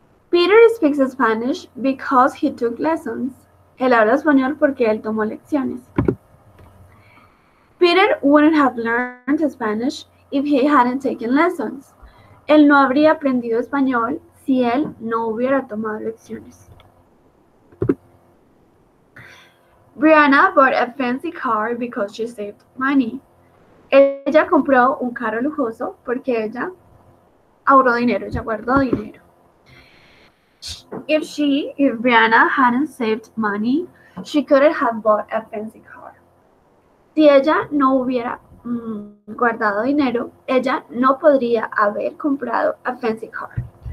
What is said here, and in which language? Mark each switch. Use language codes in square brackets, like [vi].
[en] Peter speaks Spanish because he took lessons. [es] Él habla español porque él tomó lecciones. [en] Peter wouldn't have learned Spanish if he hadn't taken lessons. [es] Él no habría aprendido español si él no hubiera tomado lecciones. [en] Brianna bought a fancy car because she saved money. [es] Ella compró un carro lujoso porque ella ahorró dinero, ella guardó dinero. [en] If Brianna hadn't saved money, she couldn't have bought a fancy car. [es] Si ella no hubiera guardado dinero, ella no podría haber comprado [en] a fancy car.